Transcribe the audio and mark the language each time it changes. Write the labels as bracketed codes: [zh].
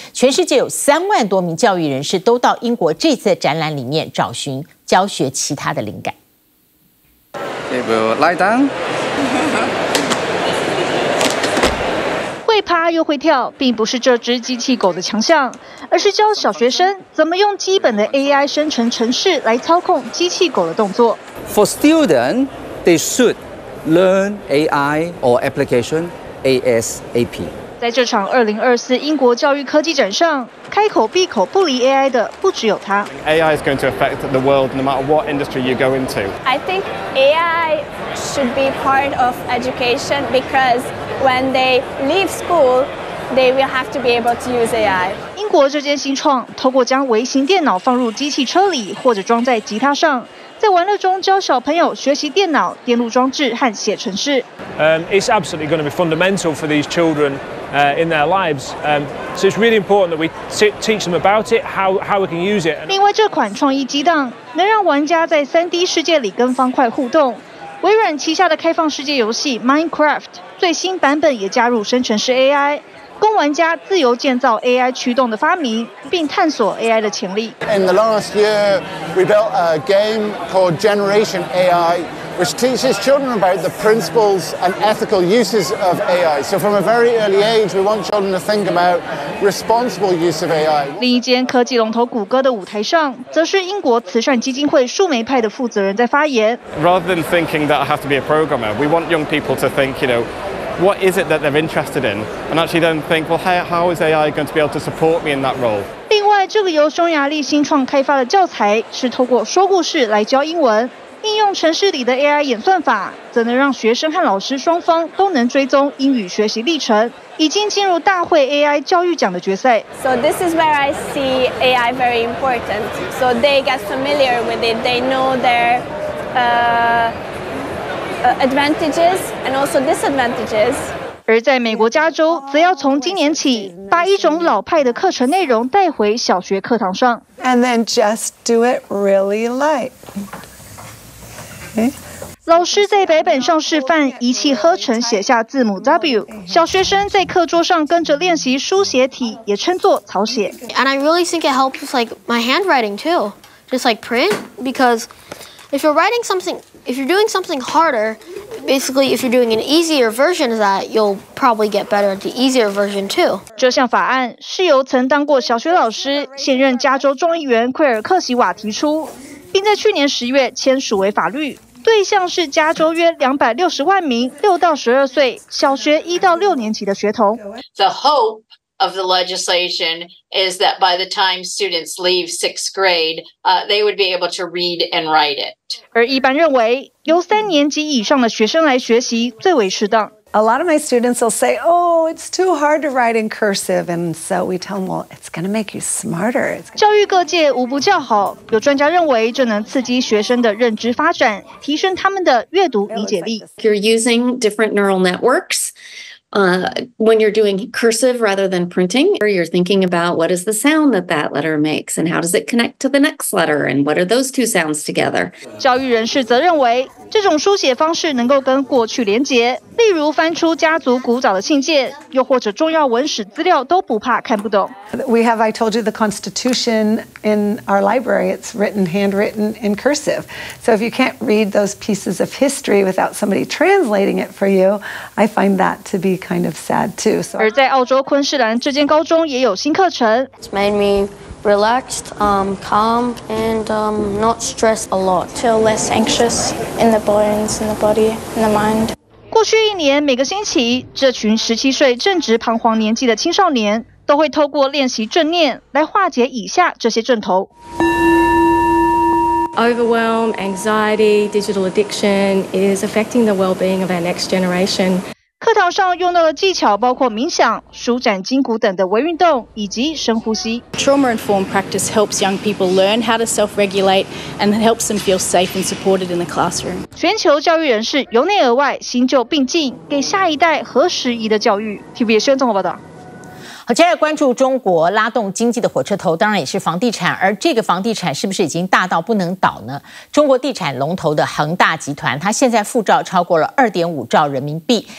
[zh] 全世界有30000多名教育人士都到英国这次展览里面找寻教学其他的灵感。 [en] They will lie down. [zh] 会趴又会跳并不是这只机器狗的强项，而是教小学生怎么用基本的 AI 生成程式来操控机器狗的动作。 [en] For students, they should learn AI or application ASAP. [zh] 在这场2024英国教育科技展上，开口闭口不离 AI 的不只有他。 [en] AI is going to affect the world no matter what industry you go into. I think AI should be part of education because when they leave school,They will have to be able to use AI. [zh] 英国这间新创透过将微型电脑放入机器车里或者装在吉他上，在玩乐中教小朋友学习电脑、电路装置和写程式。 [en] It's absolutely going to be fundamental for these children, in their lives. So it's really important that we teach them about it, how we can use it. [zh] 另外，这款创意激荡能让玩家在 3D 世界里跟方块互动。微软旗下的开放世界游戏 Minecraft 最新版本也加入生成式 AI。供玩家自由建造 AI 驱动的发明，并探索 AI 的潜力。 [en] In the last year, we built a game called Generation AI, which teaches children about the principles and ethical uses of AI. So from a very early age, we want children to think about responsible use of AI. [zh] 另一间科技龙头谷歌的舞台上，则是英国慈善基金会树莓派的负责人在发言。 [en] Rather than thinking that I have to be a programmer, we want young people to think, you know,What is it that they're interested in? And actually then think, well, how is AI going to be able to support me in that role? [zh] 另外，这个由匈牙利新创开发的教材是透过说故事来教英文，应用程式里的 AI 演算法，则能让学生和老师双方都能追踪英语学习历程，已经进入大会 AI 教育奖的决赛。 [en] So this is where I see AI very important. So they get familiar with it. They know their, advantages and also disadvantages. [zh] 而在美国加州，则要从今年起把一种老派的课程内容带回小学课堂上。 [en] And then just do it really light. [zh] 老师在白板上示范一气呵成写下字母 W， 小学生在课桌上跟着练习书写体，也称作草写。 [en] And I really think it helps like my handwriting too, just like print, because if you're writing something. If you're doing something harder, basically, if you're doing an easier version of that, you'll probably get better at the easier version too. [zh] 这项法案是由曾当过小学老师、现任加州众议员奎尔克西瓦提出，并在去年十月签署为法律。对象是加州约260万名6到12岁小学1到6年级的学童。 [en] The hope of the legislation is that by the time students leave sixth grade, they would be able to read and write it. [zh] 而一般认为，由3年级以上的学生来学习最为适当。 [en] A lot of my students will say, "Oh, it's too hard to write in cursive," and so we tell them, "Well, it's going to make you smarter." [zh] 教育各界无不叫好，有专家认为这能刺激学生的认知发展，提升他们的阅读理解力。 [en] You're using different neural networks. When you're doing cursive rather than printing, you're thinking about what is the sound that that letter makes and how does it connect to the next letter and what are those two sounds together. [zh] 教育人士则认为这种书写方式能够跟过去连结，例如翻出家族古早的信件，又或者重要文史资料都不怕看不懂。 [en] We have, I told you, the Constitution in our library. It's written, handwritten in cursive. So if you can't read those pieces of history without somebody translating it for you, I find that to be kind of sad too. [zh] 而在澳洲昆士兰这间高中也有新课程。 [en] It's made me relaxed, calm, and not stressed a lot. Feel less anxious in the bones, in the body, in the mind. [zh] 过去一年，每个星期，这群17岁正值彷徨年纪的青少年，都会透过练习正念来化解以下这些症头 [en] ：overwhelm, anxiety, digital addiction is affecting the well-being of our next generation. [zh] 课堂上用到的技巧包括冥想、舒展筋骨等的微运动，以及深呼吸。 [en] Trauma-informed practice helps young people learn how to self-regulate and helps them feel safe and supported in the classroom. [zh] 全球教育人士由内而外，新旧并进，给下一代何时宜的教育。 TVBS 宣总报道。好，接下来关注中国拉动经济的火车头，当然也是房地产。而这个房地产是不是已经大到不能倒呢？中国地产龙头的恒大集团，它现在负债超过了2.5兆人民币。